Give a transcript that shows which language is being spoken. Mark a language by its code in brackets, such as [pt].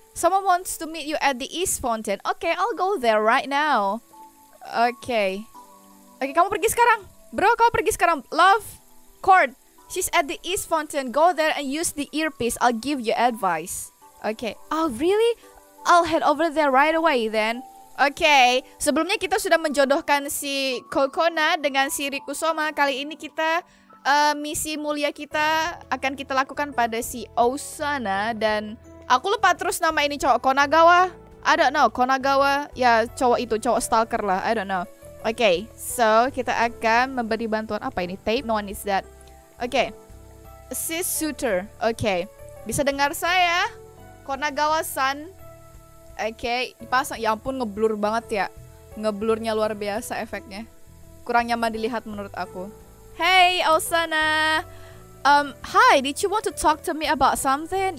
[en] Someone wants to meet you at the East Fountain. Okay, I'll go there right now. Okay. [id] Okay, kamu pergi sekarang. Bro, kamu pergi sekarang. [en] Love, court. She's at the East Fountain. Go there and use the earpiece. I'll give you advice. Okay. Oh, really? I'll head over there right away then. [id] Okay, sebelumnya kita sudah menjodohkan si Kokona dengan si Rikusoma. Kali ini kita misi mulia kita akan kita lakukan pada si Osana. Dan aku lupa terus nama ini cowok, Konagawa? [en] I don't know, Konagawa. [id] Ya, cowok itu, cowok stalker lah, [en] I don't know. [id] Okay, so kita akan memberi bantuan. Apa ini, tape? [en] No one needs that. [id] Okay, sis shooter. Okay, bisa dengar saya? Konagawa-san. Okay, dipasang. Ya ampun, ngeblur banget ya. Ngeblurnya luar biasa efeknya. Kurang nyaman dilihat menurut aku. [en] Hey, Osana. Hi, did you want to talk to me about something?